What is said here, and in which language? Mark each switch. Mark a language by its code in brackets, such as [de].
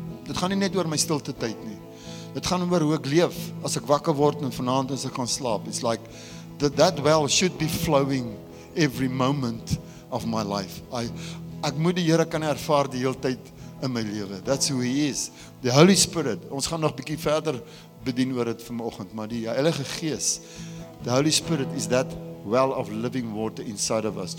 [af] Dit gaan nie net oor my stilte tyd nie. Dit gaan oor hoe ek leef as ek wakker word en vanaand as ek gaan slaap. [en] It's like that well should be flowing every moment of my life. [af] Ek moet die Here kan ervaar die hele tyd in my lewe. [en] That's who He is. The Holy Spirit. [af] Ons gaan nog 'n bietjie verder bedien oor dit vanoggend, maar die Heilige Gees. [en] The Holy Spirit is that well of living water inside of us.